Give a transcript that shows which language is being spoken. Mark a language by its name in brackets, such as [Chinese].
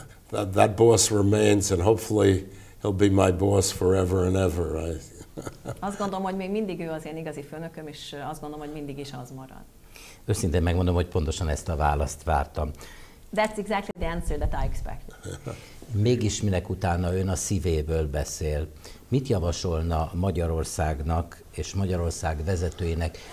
[English] That boss remains, and hopefully he'll be my boss forever and ever. [Hungarian] Azt gondolom, hogy még mindig ő az én igazi főnököm, és azt gondolom, hogy mindig is az marad. Őszintén megmondom, hogy pontosan ezt a választ vártam. [English] That's exactly the answer that I expected. [Hungarian] Mégis minek utána ön a szívéből beszél. Mit javasolna Magyarországnak és Magyarország vezetőinek?